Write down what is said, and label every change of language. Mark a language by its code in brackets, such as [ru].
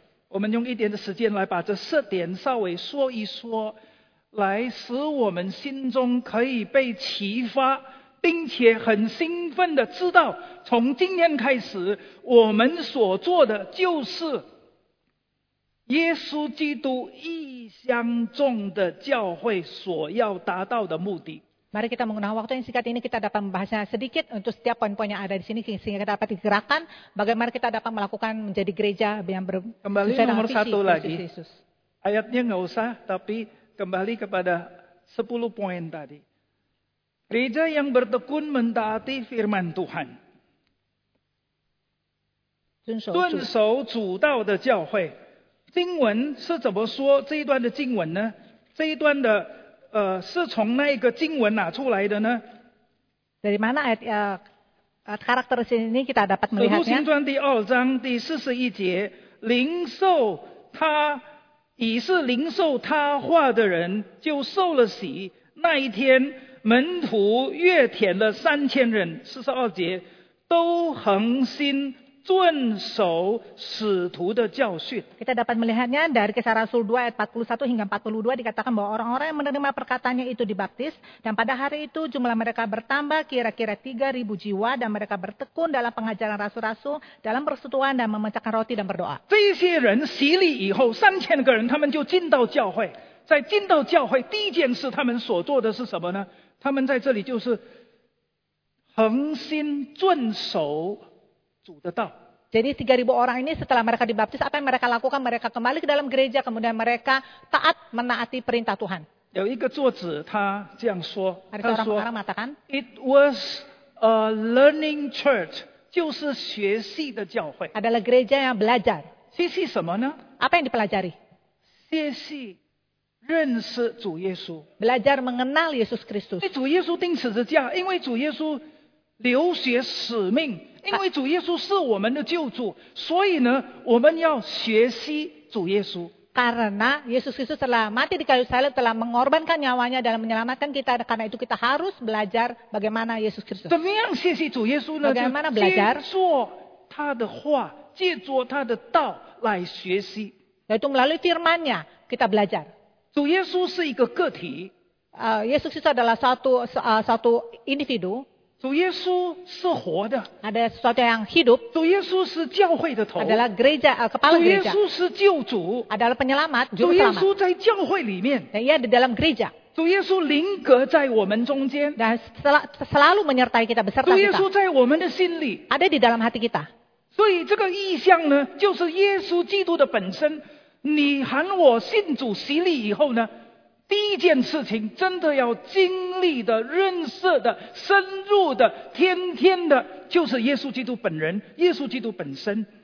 [zh] 我们用一点的时间来把这四点稍微说一说，来使我们心中可以被启发，并且很兴奋的知道，从今天开始，我们所做的就是耶稣基督意象中的教会所要达到的目的。 [id] Mari kita menggunakan waktu yang singkat ini, kita dapat membahasnya sedikit untuk setiap poin-poin yang ada di sini sehingga kita dapat digerakkan bagaimana kita dapat melakukan menjadi gereja yang berkembang. Kembali nomor satu lagi. Ayatnya enggak usah, tapi kembali kepada 10 poin tadi. Gereja yang bertekun mentaati firman Tuhan. [zh] 遵守主道的教会。经文是怎么说这一段的经文呢？这一段的是从那个经文哪出来的呢？ [id] dari mana ayat karakter ini kita dapat melihatnya？ [zh] 使徒行传第二章第四十一节，灵受他已是灵受他话的人就受了洗。那一天门徒约添了三千人，四十二节，都恒心遵守使徒的教训。 [id] Kita dapat melihatnya dari Kisah Rasul 2 ayat 41 hingga 42 dikatakan bahwa orang-orang yang menerima perkataannya itu dibaptis dan pada hari itu jumlah mereka bertambah kira-kira 3000 jiwa dan mereka bertekun dalam pengajaran rasul-rasul dalam persekutuan dan memecahkan roti dan berdoa. [zh] 这些人洗礼以后3000个人他们就进到教会，在进到教会第一件事他们所做的是什么呢？他们在这里就是恒心遵守主的道。 [id] Jadi 3000 orang ini setelah mereka dibaptis apa yang mereka lakukan? Mereka kembali ke dalam gereja kemudian mereka taat menaati perintah Tuhan. [zh] 有一个作者他这样说，他说 [id] orang-orang mengatakan, [en] It was a learning church, [zh] 就是学习的教会。 [id] Adalah gereja yang belajar. [zh] 学习什么呢？ [id] Apa yang dipelajari? [zh] 学习认识主耶稣。 [id] Belajar mengenal Yesus Kristus. [zh] 主耶稣钉十字架，因为主耶稣流血使命，因为主耶稣是我们的救主，所以呢，我们要学习主耶稣。 [id] Karena Yesus Kristus telah mati di kayu salib, telah mengorbankan nyawanya dalam menyelamatkan kita. Karena itu kita harus belajar bagaimana Yesus Kristus. [zh] 怎么样学习主耶稣呢？ [id] bagaimana belajar? [zh] 借着他的话，借着他的道来学习。 [id] Yaitu melalui Firman-Nya kita belajar. [zh] 主耶稣是一个个体。 [id] Yesus Kristus adalah satu individu. [zh] 主耶稣是活的。 [id] Ada sesuatu yang hidup. [zh] 主耶稣是教会的头。 [id] Adalah gereja, kepala gereja. [zh] 主耶稣是救主。 [id] Adalah penyelamat, [zh] 主耶稣在教会里面。 [id] Dan ia di dalam gereja. [zh] 主耶稣灵格在我们中间。 [id] Dan selalu menyertai kita, beserta kita. [zh] 主耶稣在我们的心里。 [id] Ada di dalam hati kita. [zh] 所以这个意象呢，就是耶稣基督的本身。你喊我信主洗礼以后呢，第一件事情真的要经历的、认识的、深入的、天天的，就是耶稣基督本人，耶稣基督本身。